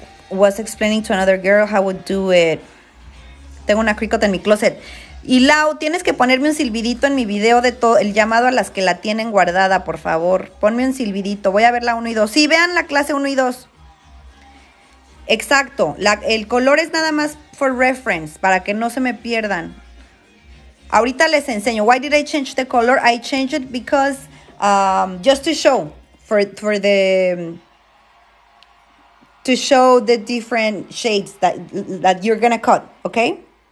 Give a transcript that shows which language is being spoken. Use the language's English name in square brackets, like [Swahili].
[English] Was explaining to another girl how would do it. [Spanish] Tengo una Cricut en mi closet. Y Lau, tienes que ponerme un silbidito en mi video de todo el llamado a las que la tienen guardada, por favor. Ponme un silbidito. Voy a ver la 1 y 2. Sí, vean la clase 1 y 2. Exacto. El color es nada más [English] for reference, [Spanish] para que no se me pierdan. Ahorita les enseño. [English] Why did I change the color? I changed it because just to show for the... To show the different shades that you're gonna cut, okay?